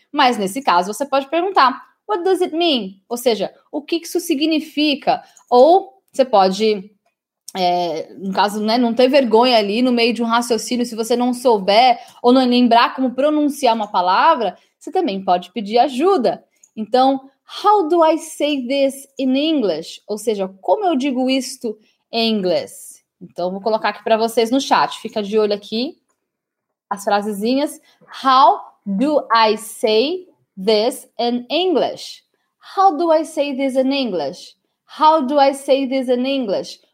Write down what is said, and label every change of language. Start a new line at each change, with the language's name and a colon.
Portuguese: Mas, nesse caso, você pode perguntar,
English: what does it mean?
Portuguese: Ou seja, o que isso significa? Ou você pode... no caso, né, não ter vergonha ali no meio de um raciocínio, se você não souber ou não lembrar como pronunciar uma palavra, você também pode pedir ajuda.
English: Então, how do I say this in English?
Portuguese: Ou seja, como eu digo isto em inglês? Então, vou colocar aqui para vocês no chat. Fica de olho aqui as frasezinhas.
English: How do I say this in English? How do I say this in English? How do I say this in English?